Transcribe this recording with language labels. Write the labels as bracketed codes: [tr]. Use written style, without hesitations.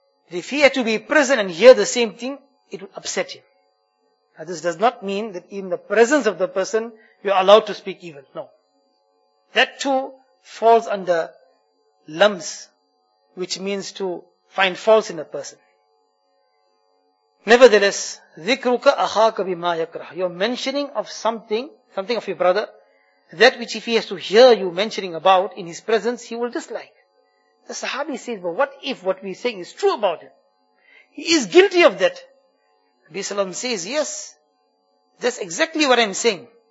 [en] If he had to be present and hear the same thing, it would upset him. Now this does not mean that in the presence of the person, you are allowed to speak evil. No. That too falls under lums, which means to find faults in a person. Nevertheless, [ar] ذِكْرُكَ أَخَاكَ بِمَا يَكْرَهُ. [en] You're mentioning of something of your brother, that which if he has to hear you mentioning about in his presence, he will dislike. The Sahabi says, but what if what we're saying is true about him? He is guilty of that. Nabi Salam says, yes, that's exactly what I'm saying.